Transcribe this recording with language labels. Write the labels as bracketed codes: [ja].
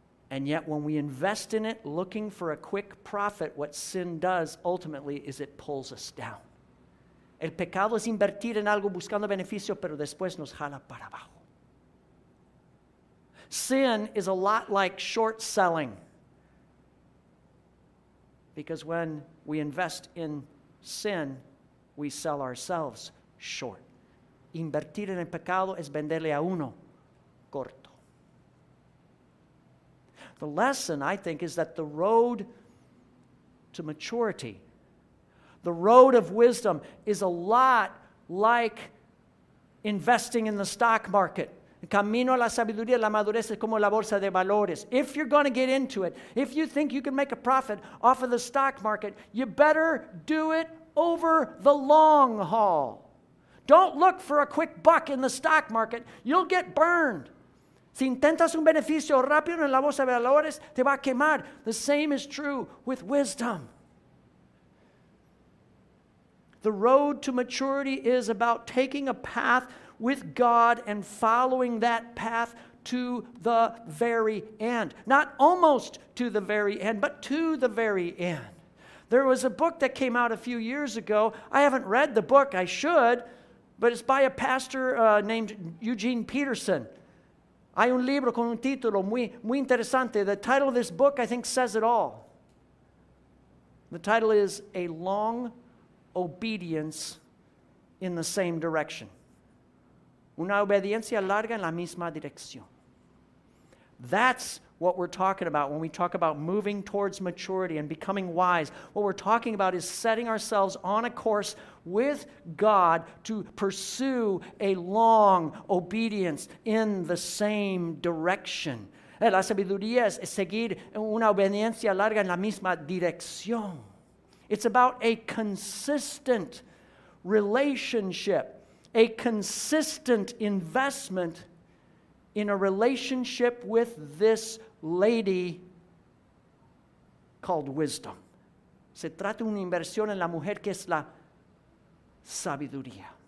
[en] And yet when we invest in it looking for a quick profit, what sin does ultimately is it pulls us down. [es] El pecado es invertir en algo buscando beneficio, pero después nos jala para abajo. [en] Sin is a lot like short selling. Because when we invest in sin, we sell ourselves short. [es] Invertir en el pecado es venderle a uno corto. [en] The lesson, I think, is that the road to maturity, the road of wisdom, is a lot like investing in the stock market. [es] El camino a la sabiduría, la madurez, es como la bolsa de valores. [en] If you're going to get into it, if you think you can make a profit off of the stock market, you better do it over the long haul. Don't look for a quick buck in the stock market. You'll get burned. [es] Si intentas un beneficio rápido en la bolsa de valores, te va a quemar. [en] The same is true with wisdom. The road to maturity is about taking a path with God and following that path to the very end. Not almost to the very end, but to the very end. There was a book that came out a few years ago. I haven't read the book. I should. But it's by a pastor named Eugene Peterson. [es] Hay un libro con un título muy interesante. [en] The title of this book, I think, says it all. The title is A Long Obedience in the Same Direction. [es] Una obediencia larga en la misma dirección. [en] That's what we're talking about when we talk about moving towards maturity and becoming wise. What we're talking about is setting ourselves on a course with God to pursue a long obedience in the same direction. [es] La sabiduría es seguir una obediencia larga en la misma dirección. [en] It's about a consistent relationship, a consistent investment in a relationship with this lady called wisdom. [es] Se trata de una inversión en la mujer que es la sabiduría.